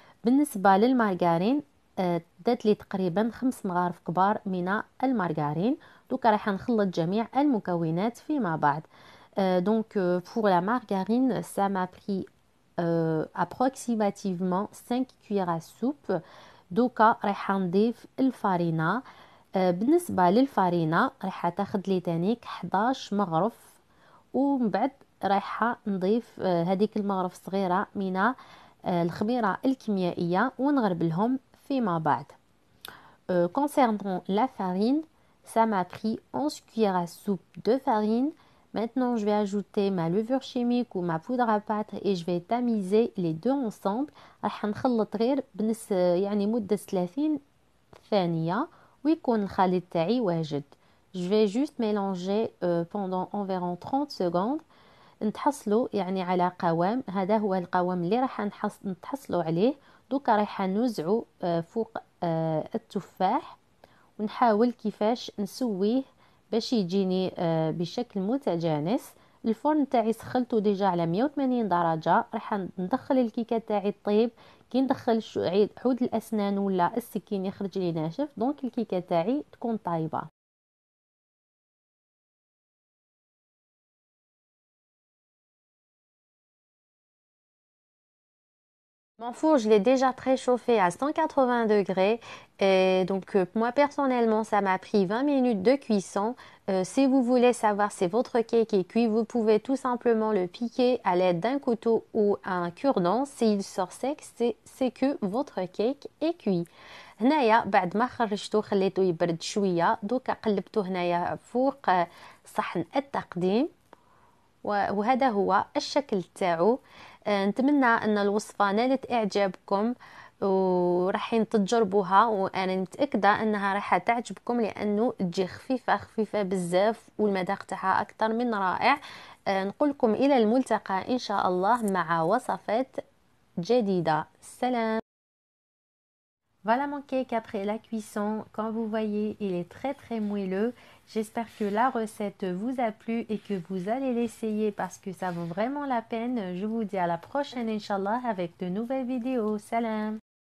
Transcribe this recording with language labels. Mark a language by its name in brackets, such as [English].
[Arabic] بالنسبة للمارغارين دات لي تقريبا 5 مغارف كبار من المارغارين. دوكا راح نخلط جميع المكونات فيما بعد. [French] Donc pour la margarine, ça m'a pris approximativement 5 cuillères à soupe. [Arabic] دوكا راح نضيف الفارينة. بالنسبة للفارينة راح تاخذ لي تانيك 11 مغرف. ومن بعد رايحة نضيف هذيك المغرف صغيرة من الخميرة الكيميائية ونغربلهم فيما بعد. [French] concernant la farine, ça m'a pris 11 cuillères à soupe de farine. Maintenant, je vais ajouter ma levure chimique ou ma poudre à pâte et je vais tamiser les deux ensemble. [Arabic] رايح نخلط غير بنس يعني مدة 30 ثانية ويكون الخليط تاعي واجد. [French] Je vais juste mélanger pendant environ 30 secondes. [Arabic] نتحصلو يعني على قوام، هذا هو القوام اللي راح نتحصلو عليه. دوكا راح نوزعو فوق التفاح ونحاول كيفاش نسويه باش يجيني بشكل متجانس. الفرن تاعي سخلته ديجا على 180 درجة، راح ندخل الكيكة تاعي طيب. كي ندخل عود الأسنان ولا السكين يخرج لي ناشف، دونك الكيكة تاعي تكون طايبة. [French] Mon four, je l'ai déjà préchauffé à 180 degrés. Et donc, moi personnellement, ça m'a pris 20 minutes de cuisson. Si vous voulez savoir si votre cake est cuit, vous pouvez tout simplement le piquer à l'aide d'un couteau ou un cure-dent. S'il sort sec, c'est que votre cake est cuit. [Arabic] هنايا بعد ما خرجته خليته يبرد شوية، دوكا قلبته هنايا فوق صحن التقديم، وهذا هو الشكل تاعو. نتمنى ان الوصفة نالت اعجابكم وراحين تجربوها، وانا متأكدة انها راح تعجبكم لانه تجي خفيفة خفيفة بزاف والمذاق تاعها اكثر من رائع. نقولكم الى الملتقى ان شاء الله مع وصفات جديدة. سلام. [French] Voilà mon cake après la cuisson. Comme vous voyez, il est très très moelleux. J'espère que la recette vous a plu et que vous allez l'essayer parce que ça vaut vraiment la peine. Je vous dis à la prochaine, Inch'Allah, avec de nouvelles vidéos. Salam!